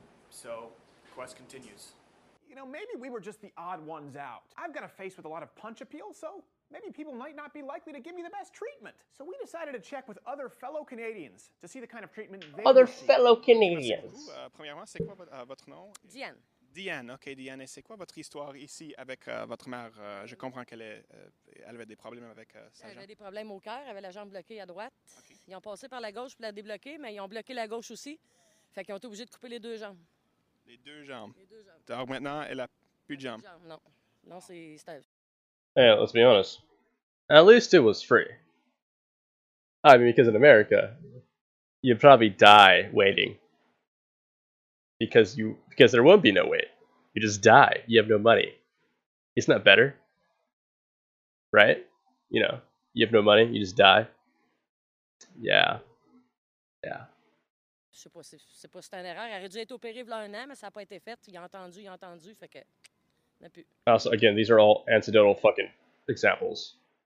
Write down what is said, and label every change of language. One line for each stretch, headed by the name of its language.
English: So, quest continues. You know, maybe we were just the odd ones out. I've got a face with a lot of punch appeal, so maybe people might not be likely to give me the best treatment. So we decided to check with other fellow Canadians to see the kind of treatment they other receive. Fellow Canadians.
French: Premièrement, c'est quoi votre nom? Diane. Diane, ok, Diane. Et c'est quoi votre histoire ici avec votre mère? Je comprends qu'elle elle avait des problèmes avec sa jambe. Elle avait des problèmes au cœur, elle avait la jambe bloquée à droite. Okay. Ils ont passé par la gauche pour la débloquer, mais ils ont bloqué la gauche aussi. Fait qu'ils ont été obligés de couper les deux jambes. Les deux jambes. Donc maintenant, elle a plus de jambes. Non, non, c'est Steve.
English: Hey, let's be honest. At least it was free. I mean, because in America, you'd probably die waiting. Because there won't be no wait. You just die. You have no money. Isn't that better? Right? You know, you have no money. You just die. Yeah. Yeah.
French: Je sais pas, c'est pas, c'est une erreur. Elle a dû être opérée il y a un an, mais ça n'a pas été fait. Il a entendu, fait que...
English: Also, again, these are all anecdotal fucking examples.